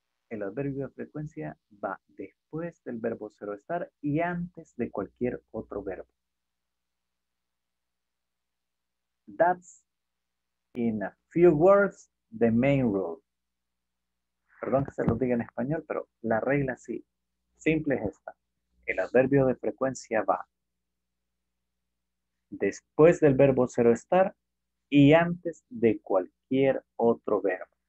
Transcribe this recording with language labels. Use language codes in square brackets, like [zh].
[es] El adverbio de frecuencia va después del verbo ser o estar y antes de cualquier otro verbo. [en] That's, in a few words, the main rule. [es] Perdón que se lo diga en español, pero la regla sí, simple es esta. El adverbio de frecuencia va después del verbo ser o estar y antes de cualquier otro verbo.